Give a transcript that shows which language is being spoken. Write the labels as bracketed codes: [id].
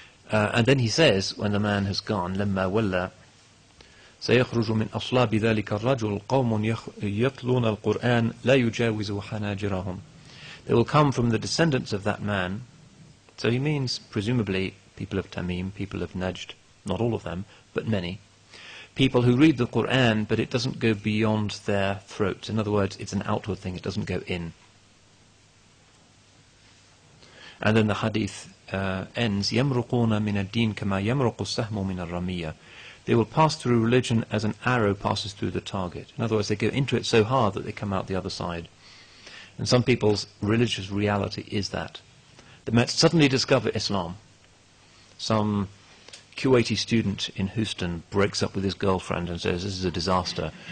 [en] And then he says, when the man has gone, [ar] لَمَّا وَلَّا سَيَخْرُجُ مِنْ أَصْلَابِ ذَلِكَ الرَّجُلُ قَوْمٌ يَطْلُونَ الْقُرْآنَ لَا يُجَاوِزُ حَنَاجِرَهُمْ. [en] They will come from the descendants of that man. So he means, presumably, people of Tamim, people of Najd, not all of them, but many. People who read the Qur'an, but it doesn't go beyond their throat. In other words, it's an outward thing, it doesn't go in. And then the hadith ends, [ar] يَمْرُقُونَ مِنَ الدِّينِ كَمَا يَمْرُقُ السَّهْمُ مِنَ الرَّمِيَّةِ. [en] They will pass through religion as an arrow passes through the target. In other words, they go into it so hard that they come out the other side. And some people's religious reality is that. They might suddenly discover Islam. Some Kuwaiti student in Houston breaks up with his girlfriend and says, this is a disaster.